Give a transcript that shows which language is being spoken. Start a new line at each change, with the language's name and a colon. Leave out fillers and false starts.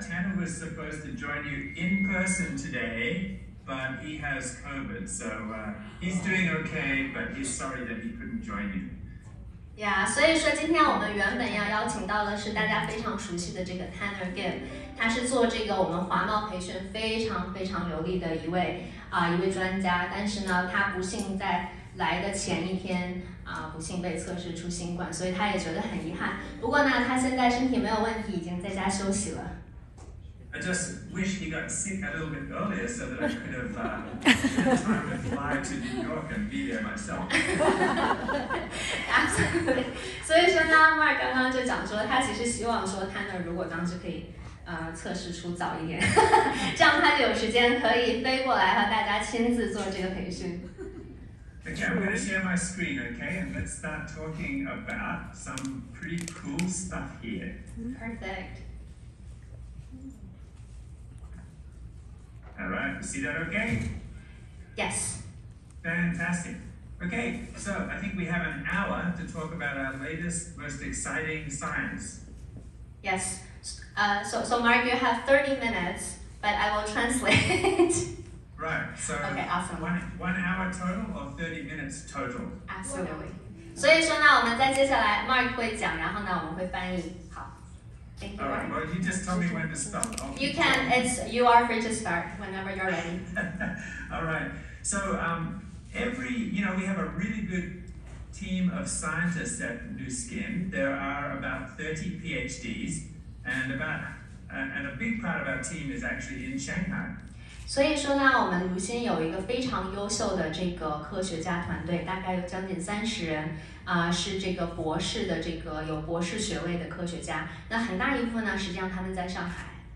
English: Tanner was supposed to join you in person today, but he has COVID. So he's doing okay, but he's sorry that he couldn't join you.
Chinese: Yeah, 所以说今天我们原本要邀请到的是大家非常熟悉的这个 Tanner Gibb， 他是做这个我们华贸培训非常非常流利的一位专家，但是呢，他不幸在来的前一天不幸被测试出新冠，所以他也觉得很遗憾。不过呢，他现在身体没有问题，已经在家休息了。
English: I just wish he got sick a little bit earlier so that I could have had time to fly to New York and be there myself. Absolutely.
Chinese: 所以说呢 ，Mark 刚刚就讲说，他其实希望说 ，Tanner 如果当时可以测试出早一点，这样他就有时间可以飞过来和大家亲自做这个培训。
English: Okay, I'm going to share my screen, okay? And let's start talking about some pretty cool stuff here. Perfect. All right, you see that okay? Yes. Fantastic. Okay, so I think we have an hour to talk about our latest, most exciting science. Yes. So Mark, you have 30 minutes, but I will translate. Right, so okay,、awesome. one hour total or 30 minutes total? Absolutely.
Chinese: 所以说呢，我们在接下来 Mark 会讲，然后呢，我们会翻译。
English: 好 ，Thank you. Alright, well, you just tell me when to stop. You can. It's you are free to start whenever you're ready. Alright. So we have a really good team of scientists at Nu Skin. There are about 30 PhDs, and a big part of our team is actually in Shanghai.
Chinese: 所以说呢，我们如今有一个非常优秀的这个科学家团队，大概有将近30人，是这个博士的这个有博士学位的科学家。那很大一部分呢，实际上他们在上海。